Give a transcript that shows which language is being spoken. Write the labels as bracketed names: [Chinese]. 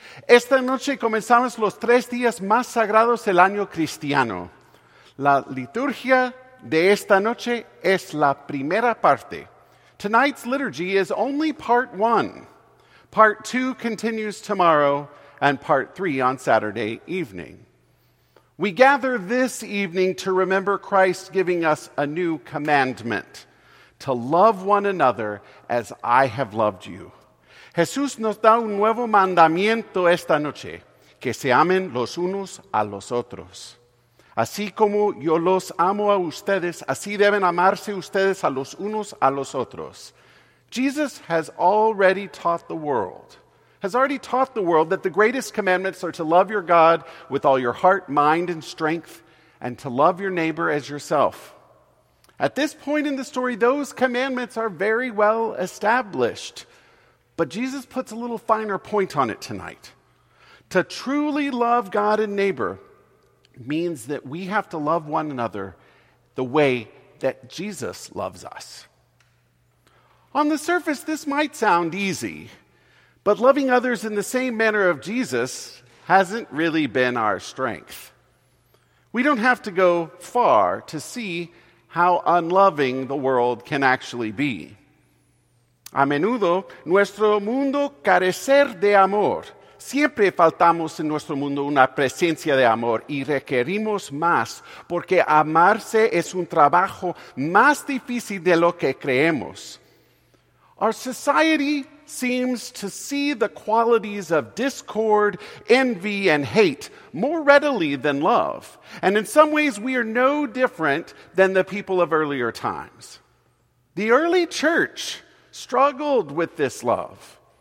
[Spanish] Esta noche comenzamos los tres días más sagrados del año cristiano. La liturgia de esta noche es la primera parte. [English] Tonight's liturgy is only part one. Part two continues tomorrow, and part three on Saturday evening. We gather this evening to remember Christ giving us a new commandment, to love one another as I have loved you. [Spanish] Jesús nos da un nuevo mandamiento esta noche, que se amen los unos a los otros. Así como yo los amo a ustedes, así deben amarse ustedes a los unos a los otros. [English] Jesus has already taught the world. Has already taught the world that the greatest commandments are to love your God with all your heart, mind, and strength, and to love your neighbor as yourself. At this point in the story, those commandments are very well established. But Jesus puts a little finer point on it tonight. To truly love God and neighbor means that we have to love one another the way that Jesus loves us. On the surface, this might sound easy. But loving others in the same manner of Jesus hasn't really been our strength. We don't have to go far to see how unloving the world can actually be. [Spanish] A menudo, nuestro mundo carece de amor. Siempre faltamos en nuestro mundo una presencia de amor y requerimos más, porque amarse es un trabajo más difícil de lo que creemos. [English] Our society seems to see the qualities of discord, envy, and hate more readily than love. And in some ways, we are no different than the people of earlier times. The early church struggled with this love.